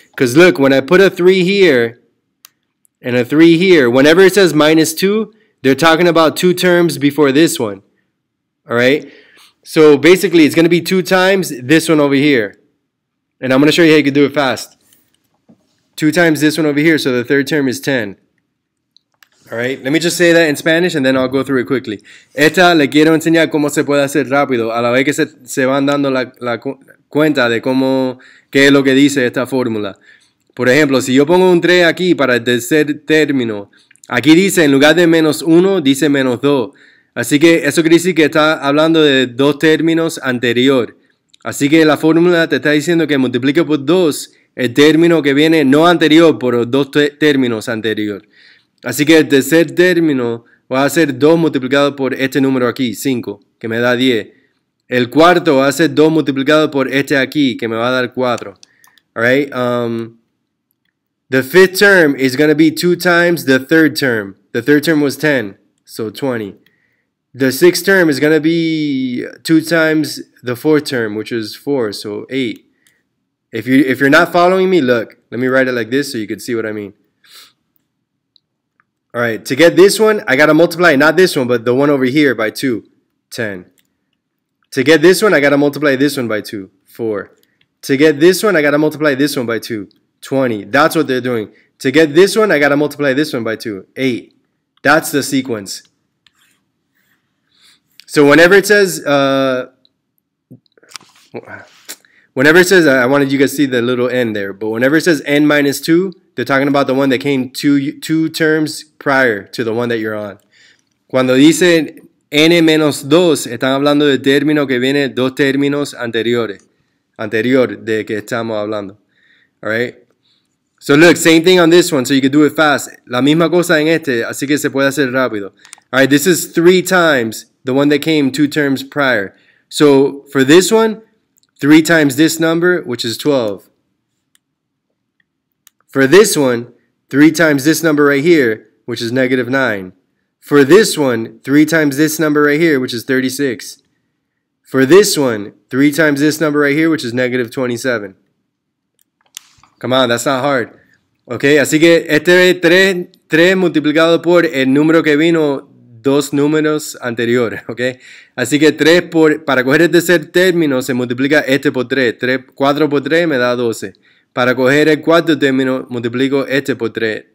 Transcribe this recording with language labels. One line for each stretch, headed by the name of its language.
English: Because look, when I put a 3 here and a 3 here, whenever it says minus 2, they're talking about two terms before this one. All right? So basically, it's going to be 2 times this one over here. And I'm going to show you how you can do it fast. 2 times this one over here, so the third term is 10. All right, let me just say that in Spanish, and then I'll go through it quickly.
Spanish: Esta le quiero enseñar cómo se puede hacer rápido a la vez que se van dando la cuenta de cómo, qué es lo que dice esta fórmula. Por ejemplo, si yo pongo un 3 aquí para el tercer término, aquí dice, en lugar de menos 1, dice menos 2. Así que eso quiere decir que está hablando de dos términos anterior. Así que la fórmula te está diciendo que multiplique por 2 el término que viene no anterior, pero dos términos anterior. Así que el tercer término va a ser 2 multiplicado por este número aquí, 5, que me da 10. El cuarto va a ser 2 multiplicado por este aquí, que me va a dar 4.
English: All right? The fifth term is going to be 2 times the third term. The third term was 10, so 20. The sixth term is going to be 2 times the fourth term, which is 4, so 8. If you're not following me, look. Let me write it like this so you can see what I mean. All right, to get this one, I got to multiply, not this one, but the one over here by 2, 10. To get this one, I got to multiply this one by 2, 4. To get this one, I got to multiply this one by 2, 20. That's what they're doing. To get this one, I got to multiply this one by 2, 8. That's the sequence. So whenever it says, I wanted you guys to see the little n there, but whenever it says n minus 2, they're talking about the one that came two terms prior to the one that you're on.
Spanish: Cuando dice n menos 2, están hablando del término que viene dos términos anterior de que estamos hablando.
English: All right? So look, same thing on this one, so you can do it fast.
Spanish: La misma cosa en este, así que se puede hacer rápido.
English: All right, this is 3 times the one that came two terms prior. So for this one, 3 times this number, which is 12. For this one, 3 times this number right here, which is negative 9. For this one, 3 times this number right here, which is 36. For this one, 3 times this number right here, which is negative 27. Come on, that's not hard.
Spanish: Okay, así que este 3 multiplicado por el número que vino dos números anteriores, okay? Así que 3 por, para coger el tercer término, se multiplica este por 3. 3, 4 por 3 me da 12. Para coger el cuarto término, multiplico este por 3.